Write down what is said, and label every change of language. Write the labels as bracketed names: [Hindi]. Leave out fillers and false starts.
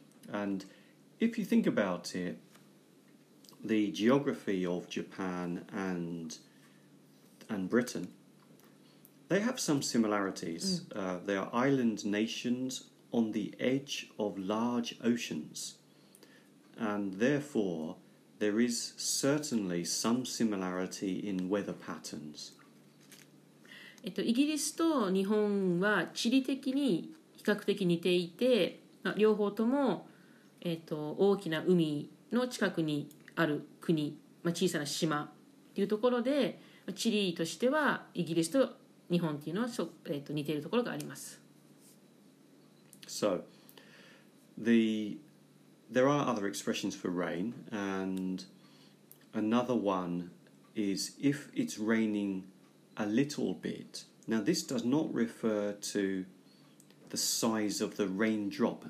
[English] And if you think about it, the geography of Japan and Britain, they have some similarities. They are island nations on the edge of large oceans. And therefore, there is certainly some similarity in weather patterns. [Japanese] イギリスと日本は地理的に比較的似ていて、まあ、両方とも、大きな海の近くにある国、まあ、小さな島というところで、地理としてはイギリスと日本というのは、似ているところがあります。 [English] So, there are other expressions for rain, and another one is if it's raining a little bit. Now, this does not refer to the size of the raindrop.